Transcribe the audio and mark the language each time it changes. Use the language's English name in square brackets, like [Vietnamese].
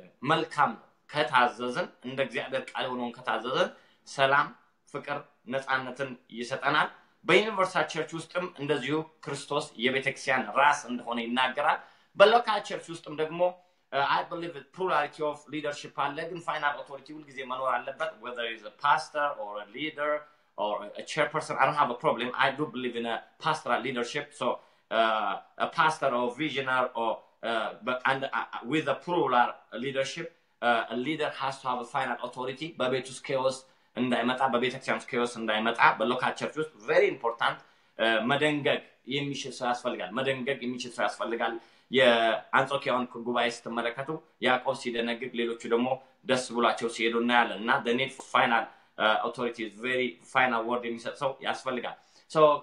[Amharic] መልካም ከታዘዝን እንደ እግዚአብሔር ቃል ሆኖ ከታዘዝን ሰላም ፍቅር ነፃነትን ይሰጠናል። በዩኒቨርሳል ቸርች ውስጥም እንደዚሁ ክርስቶስ የቤተክርስቲያን ራስ እንደሆነ ይናገራል። በሎካል ቸርች ውስጥም ደግሞ [English] I believe the plurality of leadership [Amharic] አለ ግን [English] final authority [Amharic] ሁሉ ጊዜ መኖር አለበት [English] whether it's a pastor or a leader or a chairperson. I don't have a problem. I do believe in a pastoral leadership. So a pastor or visionary or with a plural leadership, a leader has to have a final authority. [Amharic] በቤተስ ኬዎስ እንዳይመጣ በቤተክርስቲያን ኬዎስ እንዳይመጣ በሎካል ቸርች ውስጥ [English] very important [Amharic] መደንገግ የሚችል ሰው ያስፈልጋል። መደንገግ የሚችል ሰው ያስፈልጋል። የአንጾኪያን ጉባኤ ስትመለከቱ ያዕቆብ ሲደነግግ ሌሎቹ ደግሞ ደስ ብሏቸው ሲሄዱ እናያለን። እና [English] the need for final authority is very final word [Amharic] የሚሰጥ ሰው ያስፈልጋል። ሶ